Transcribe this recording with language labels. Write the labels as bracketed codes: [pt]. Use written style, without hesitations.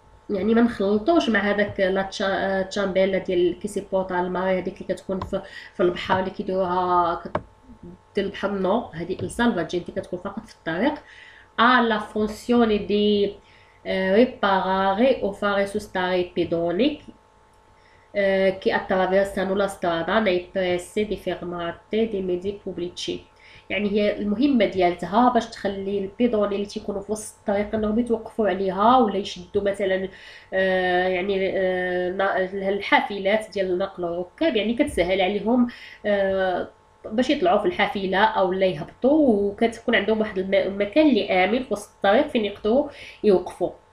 [ar] يعني ما نخلطوش مع هذاك لا تشامبيلا ديال كيسي بورتا الماري، هذيك اللي كتكون في البحر اللي كيديروها ديال البحر، نو هذه السالفا جينتي كتكون فقط في الطريق. [it] alla funzione di riparare o fare sostare i pedoni che attraversano la strada nei pressi di fermate dei mezzi pubblici. [ar] يعني هي المهمة ديالتها باش تخلي البيدون اللي تيكونوا في وسط الطريق انهم يتوقفوا عليها ولا يشدوا مثلا يعني الحافلات ديال النقل الركاب، يعني كتسهل عليهم باش يطلعوا في الحافلة او لا يهبطوا، وكتكون عندهم واحد المكان اللي آمن في وسط الطريق فين يقدروا يوقفوا.